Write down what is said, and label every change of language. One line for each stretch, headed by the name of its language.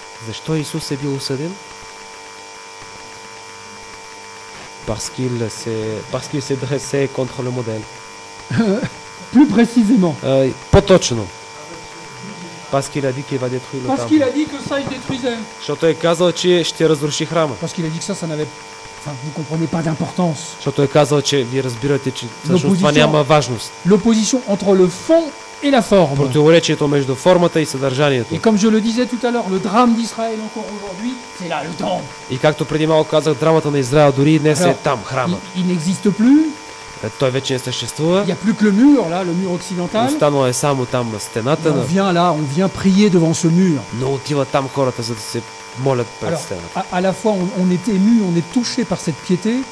Bulgarian: Защо Исус е бил осъден?
French: Parce qu'il se contre le modèle. Plus précisément.
Bulgarian: По-точно.
French: Parce qu'il a dit qu'il va détruire le temple. Parce qu'il a dit que ça il détruisait.
Bulgarian: Защото е казал, че ще разруши храма.
French: Parce qu'il a dit que ça n'avait enfin vous comprenez pas d'importance.
Bulgarian: Защото е казал, че вие разбирате, че това няма важност.
French: L'opposition entre le fond et la forme.
Bulgarian: Противоречието между формата и съдържанието.
French: Et comme je le disais tout à l'heure, le drame d'Israël encore aujourd'hui, c'est là le temple.
Bulgarian: И както преди малко казах, драмата на Израел дори днес е там, храма.
French: Il n'existe plus.
Bulgarian: Той вече не съществува.
French: Il y a plus que le mur là, le mur occidental.
Bulgarian: Останало е само там стената.
French: On vient là, on vient prier devant ce mur.
Bulgarian: Но отива там хората, за да се молят пред стената.
French: À la fois on est ému, on est touché par cette piété.